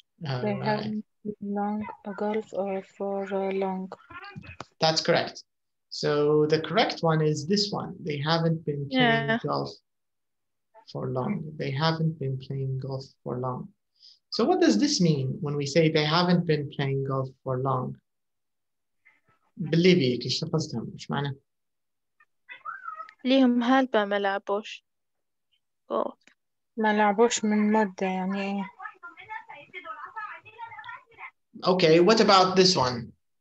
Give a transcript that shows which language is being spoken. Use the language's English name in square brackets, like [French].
[English] They haven't been playing golf for long. That's correct. So the correct one is this one. They haven't been playing golf for long. They haven't been playing golf for long. So what does this mean when we say they haven't been playing golf for long? Believe me, [Arabic] كيش تقصدهم؟ إيش معنى؟ ليهم هالبا ما لعبوش golf. ما لعبوش من مدة يعني. [English] Okay, what about this one?